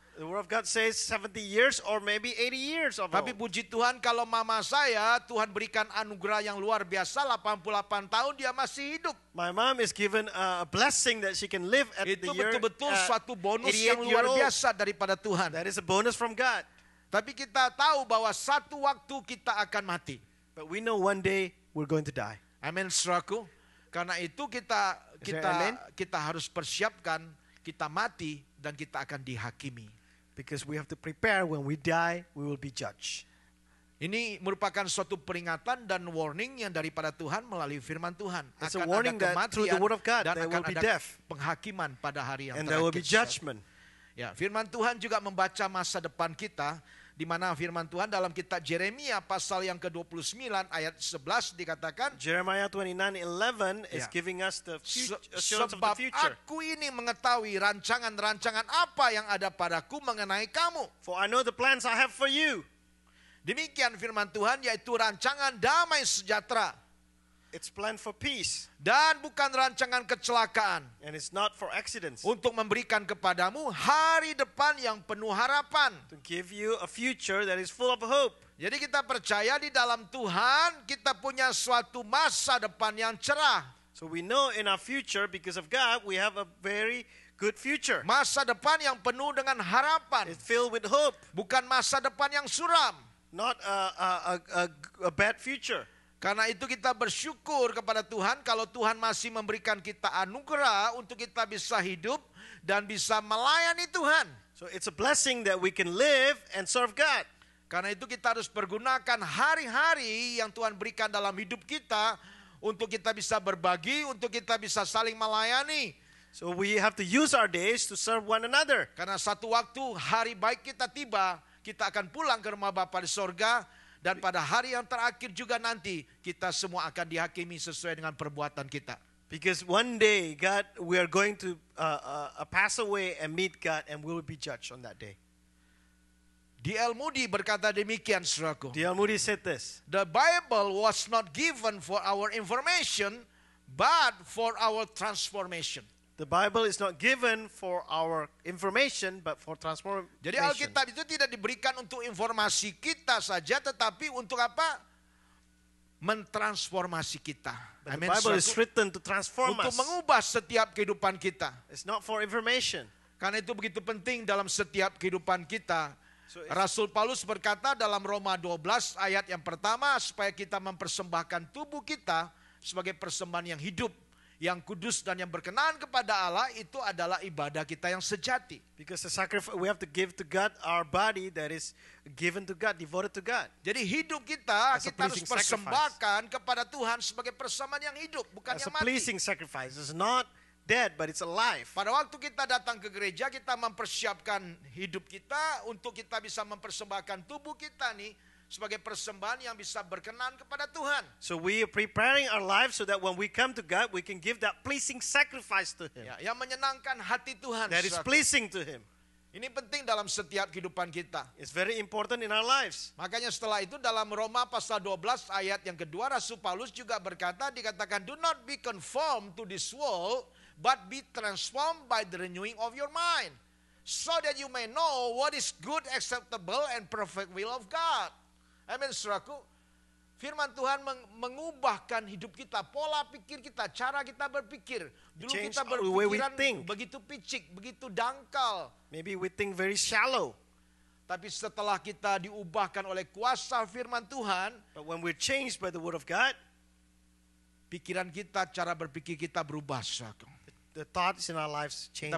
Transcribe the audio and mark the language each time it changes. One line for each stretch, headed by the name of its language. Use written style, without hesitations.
English: The word of God says 70 years or maybe 80 years of old.
Indonesian: Tapi puji Tuhan kalau mama saya, Tuhan berikan anugerah yang luar biasa, 88 tahun dia masih hidup.
English: My mom is given a blessing that she can live at
Indonesian: itu
English: the year.
Indonesian: Itu betul-betul suatu bonus yang luar biasa daripada Tuhan.
English: That is a bonus from God.
Indonesian: Tapi kita tahu bahwa satu waktu kita akan mati.
English: But we know one day we're going to die.
Indonesian: Amen, saudaraku. Karena itu kita harus persiapkan kita mati dan kita akan dihakimi.
English: Because we have to prepare when we die, we will be judged.
Indonesian: Ini merupakan suatu peringatan dan warning yang daripada Tuhan melalui firman Tuhan.
English: It's a warning that through the word of God there will be death.
Indonesian: Penghakiman pada hari yang terakhir.
English: And there will be judgment.
Indonesian: Ya, firman Tuhan juga membaca masa depan kita. Di mana firman Tuhan dalam kitab Jeremia pasal yang ke-29 ayat 11 dikatakan
English: Jeremiah 29:11 is giving us the future.
Indonesian: Sebab aku ini mengetahui rancangan-rancangan apa yang ada padaku mengenai kamu.
English: For I know the plans I have for you.
Indonesian: Demikian firman Tuhan yaitu rancangan damai sejahtera.
English: It's planned for peace.
Indonesian: Dan bukan rancangan kecelakaan.
English: And it's not for accidents.
Indonesian: Untuk memberikan kepadamu hari depan yang penuh harapan.
English: To give you a future that is full of hope.
Indonesian: Jadi kita percaya di dalam Tuhan kita punya suatu masa depan yang cerah.
English: So we know in our future because of God we have a very good future.
Indonesian: Masa depan yang penuh dengan harapan.
English: It's filled with hope.
Indonesian: Bukan masa depan yang suram.
English: Not a bad future.
Indonesian: Karena itu kita bersyukur kepada Tuhan kalau Tuhan masih memberikan kita anugerah untuk kita bisa hidup dan bisa melayani Tuhan.
English: So it's a blessing that we can live and serve God.
Indonesian: Karena itu kita harus pergunakan hari-hari yang Tuhan berikan dalam hidup kita untuk kita bisa berbagi, untuk kita bisa saling melayani.
English: So we have to use our days to serve one another.
Indonesian: Karena satu waktu hari baik kita tiba, kita akan pulang ke rumah Bapa di sorga. Dan pada hari yang terakhir juga nanti kita semua akan dihakimi sesuai dengan perbuatan kita.
English: Because one day God, we are going to pass away and meet God, and we will be judged on that day.
Indonesian: D.L. Moody berkata demikian, saudaraku.
English: D.L. Moody said this: The Bible was not given for our information, but for our transformation. The Bible is not given for our information, but for transformation.
Indonesian: Jadi Alkitab itu tidak diberikan untuk informasi kita saja, tetapi untuk apa? Mentransformasi kita.
English: The Bible is written to transform us.
Indonesian: Untuk mengubah setiap kehidupan kita.
English: It's not for information.
Indonesian: Karena itu begitu penting dalam setiap kehidupan kita. Rasul Paulus berkata dalam Roma 12 ayat yang pertama, supaya kita mempersembahkan tubuh kita sebagai persembahan yang hidup, yang kudus dan yang berkenan kepada Allah, itu adalah ibadah kita yang sejati.
English: Because the sacrifice we have to give to God, our body that is given to God, devoted to God.
Indonesian: Jadi hidup kita, as kita harus persembahkan sacrifice kepada Tuhan sebagai persembahan yang hidup, bukan
English: as
Indonesian: yang mati.
English: As a pleasing sacrifice, it's not dead, but it's alive.
Indonesian: Pada waktu kita datang ke gereja, kita mempersiapkan hidup kita untuk kita bisa mempersembahkan tubuh kita nih sebagai persembahan yang bisa berkenan kepada Tuhan.
English: So we are preparing our lives so that when we come to God, we can give that pleasing sacrifice to Him.
Indonesian: Yeah, yang menyenangkan hati Tuhan.
English: That is pleasing to Him.
Indonesian: Ini penting dalam setiap kehidupan kita.
English: It's very important in our lives.
Indonesian: Makanya setelah itu dalam Roma pasal 12 ayat yang kedua, Rasul Paulus juga berkata, dikatakan,
English: do not be conformed to this world, but be transformed by the renewing of your mind, so that you may know what is good, acceptable, and perfect will of God.
Indonesian: Amin, saudaraku. Firman Tuhan mengubahkan hidup kita, pola pikir kita, cara kita berpikir. Dulu kita berpikiran begitu picik, begitu dangkal.
English: Maybe we think very shallow.
Indonesian: Tapi setelah kita diubahkan oleh kuasa firman Tuhan,
English: but when we're changed by the word of God,
Indonesian: pikiran kita, cara berpikir kita berubah, saudaraku.
English: The thoughts in our lives changes.